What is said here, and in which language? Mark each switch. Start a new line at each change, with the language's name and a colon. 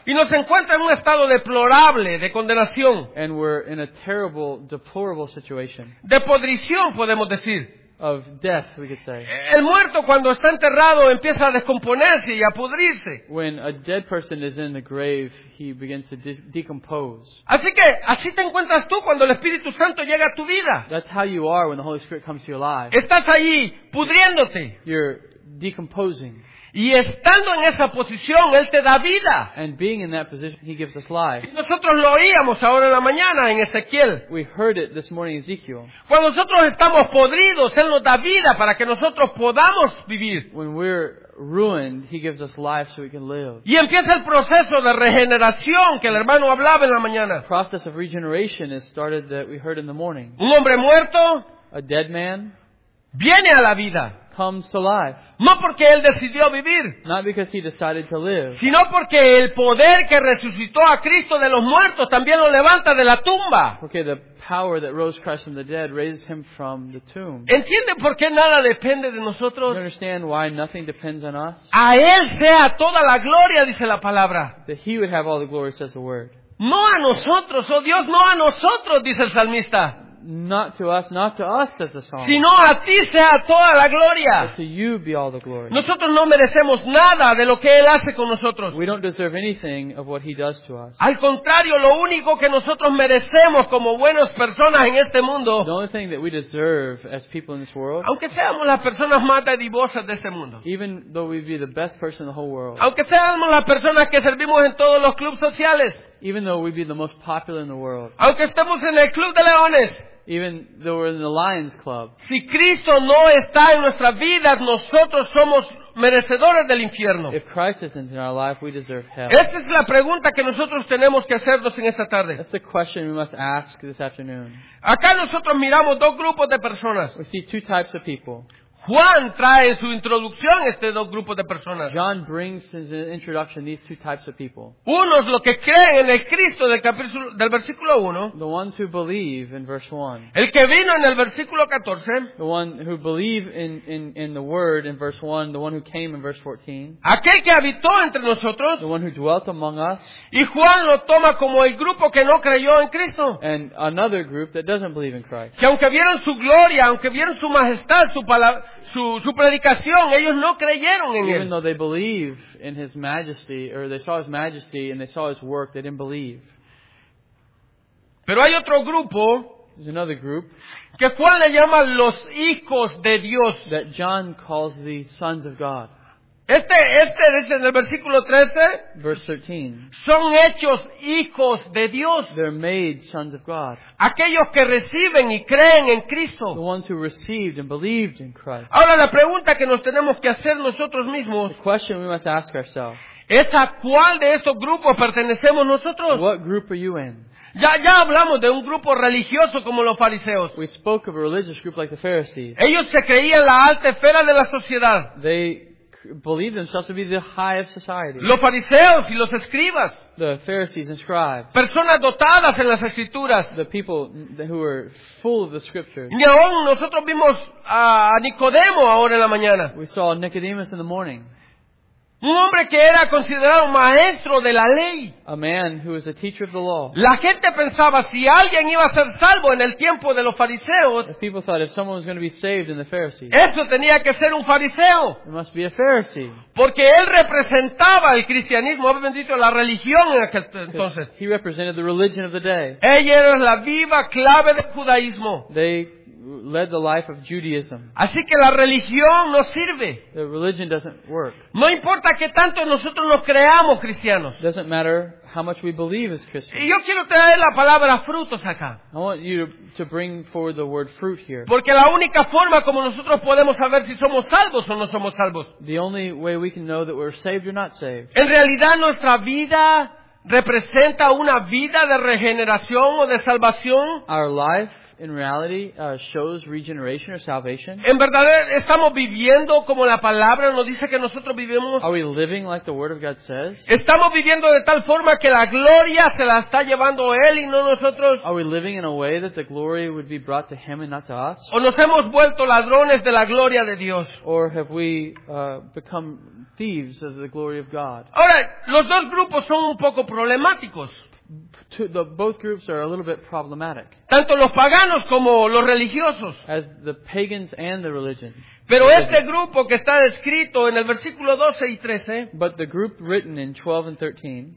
Spanish: Y nos encuentra en un estado deplorable, de condenación.
English: And we're in a terrible, deplorable situation.
Spanish: De podrición, podemos decir.
English: Of death, we could say.
Spanish: El muerto cuando está enterrado empieza a descomponerse y a pudrirse.
English: When a dead person is in the grave, he begins to decompose.
Spanish: Así que así te encuentras tú cuando el Espíritu Santo llega a tu vida.
English: That's how you are when the Holy Spirit comes to your life.
Spanish: Estás allí pudriéndote.
English: You're decomposing.
Spanish: Y estando en esa posición, Él te da vida.
English: And being in that position, He gives us life.
Spanish: Y nosotros lo oíamos ahora en la mañana en Ezequiel.
English: We heard it this morning in Ezekiel.
Spanish: Cuando nosotros estamos podridos, Él nos da vida para que nosotros podamos vivir.
English: When we're ruined, He gives us life so we can live.
Spanish: Y empieza el proceso de regeneración que el hermano hablaba en la mañana.
English: The process of regeneration is started that we heard in the morning.
Spanish: Un hombre muerto.
English: A dead man.
Spanish: Viene a la vida.
English: Comes to life.
Spanish: No porque él decidió vivir.
English: Not because he decided to live.
Spanish: Sino porque el poder que resucitó a Cristo de los muertos también lo levanta de la tumba.
English: Okay, the power that rose Christ from the dead raises him from the tomb.
Spanish: ¿Entiende por qué nada depende de nosotros?
English: You understand why nothing depends on us?
Spanish: A él sea toda la gloria, dice la palabra.
English: That he would have all the glory, says the word.
Spanish: No a nosotros, oh Dios, no a nosotros, dice el salmista.
English: Not to us, not to us, says the psalm.
Spanish: Sino a ti sea toda la gloria.
English: But to you be all the glory.
Spanish: Nosotros no merecemos nada de lo que Él hace con nosotros.
English: We don't deserve anything of what He does to us.
Spanish: Al contrario, lo único que nosotros merecemos como buenas personas en este mundo.
English: The only thing that we deserve as people in this world.
Spanish: Aunque seamos las personas más dadivosas de este mundo.
English: Even though we'd be the best person in the whole world.
Spanish: Aunque seamos las personas que servimos en todos los clubs sociales.
English: Even though we'd be the most popular in the world.
Spanish: Aunque estemos en el Club de Leones.
English: Even though we're in the Lions Club.
Spanish: Si Cristo no está en nuestras vidas, nosotros somos merecedores del infierno.
English: If Christ isn't in our life, we deserve hell.
Spanish: Esta es la pregunta que nosotros tenemos que hacernos en esta tarde.
English: That's the question we must ask this afternoon.
Spanish: Acá nosotros miramos dos grupos de personas.
English: We see two types of people.
Spanish: Juan trae su introducción a estos dos grupos de personas.
English: John brings his introduction these two types of people.
Spanish: Unos los que creen en el Cristo del versículo 1.
English: The ones who believe in verse 1.
Spanish: El que vino en el versículo 14.
English: The one who believe in the word in verse 1. The one who came in verse 14.
Spanish: Aquel que habitó entre nosotros.
English: The one who dwelt among us.
Spanish: Y Juan lo toma como el grupo que no creyó en Cristo.
English: And another group that doesn't believe in Christ.
Spanish: Que aunque vieron su gloria, aunque vieron su majestad, su palabra, su predicación, ellos no creyeron en él.
English: Even though they believe in his majesty, or they saw his majesty and they saw his work, they didn't believe.
Spanish: Pero hay otro grupo.
English: There's another group.
Spanish: Que Juan le llama los hijos de Dios.
English: That John calls the sons of God.
Spanish: Este es en el versículo 13.
English: Verse 13.
Spanish: Son hechos hijos de Dios.
English: They're made sons of God.
Spanish: Aquellos que reciben y creen en Cristo.
English: The ones who received and believed in Christ.
Spanish: Ahora la pregunta que nos tenemos que hacer nosotros mismos.
English: The question we must ask ourselves.
Spanish: ¿Es a cuál de estos grupos pertenecemos nosotros?
English: What group are you in?
Spanish: Ya hablamos de un grupo religioso como los fariseos.
English: We spoke of a religious group like the Pharisees.
Spanish: Ellos se creían la alta esfera de la sociedad.
English: They believe themselves to be the high of society.
Spanish: Los fariseos y los escribas.
English: The Pharisees and scribes.
Spanish: Personas dotadas en las escrituras.
English: The people who were full of the scriptures.
Spanish: Ni aún nosotros vimos a Nicodemo ahora en la mañana.
English: We saw Nicodemus in the morning.
Spanish: Un hombre que era considerado maestro de la ley.
English: A man who was a teacher of the law.
Spanish: La gente pensaba si alguien iba a ser salvo en el tiempo de los fariseos.
English: The people thought if someone was going to be saved in the Pharisees.
Spanish: Eso tenía que ser un fariseo.
English: It must be a Pharisee.
Spanish: Porque él representaba el cristianismo, bendito la religión en aquel entonces.
English: He represented the religion of the day.
Spanish: Ella era la viva clave del judaísmo.
English: They led the life of Judaism.
Spanish: Así que la religión no sirve.
English: The religion doesn't work.
Spanish: No importa que tanto nosotros nos creamos cristianos.
English: Doesn't matter how much we believe as Christians.
Spanish: Y yo quiero traer la palabra frutos acá.
English: I want you to bring forward the word fruit here.
Spanish: Porque la única forma como nosotros podemos saber si somos salvos o no somos salvos.
English: The only way we can know that we're saved or not saved.
Spanish: En realidad nuestra vida representa una vida de regeneración o de salvación.
English: Our life in reality shows regeneration or salvation.
Spanish: En verdad estamos viviendo como la palabra nos dice que nosotros vivimos.
English: Are we living like the word of God says?
Spanish: Estamos viviendo de tal forma que la gloria se la está llevando él y no nosotros.
English: Are we living in a way that the glory would be brought to him and not to us?
Spanish: O nos hemos vuelto ladrones de la gloria de Dios.
English: Or have we become thieves of the glory of God?
Spanish: Ahora, los dos grupos son un poco problemáticos.
English: Both groups are a little bit problematic.
Spanish: Tanto los paganos como los religiosos.
English: As the pagans and the religion.
Spanish: Pero este grupo que está descrito en el versículo 12 y 13.
English: But the group written in 12 and 13.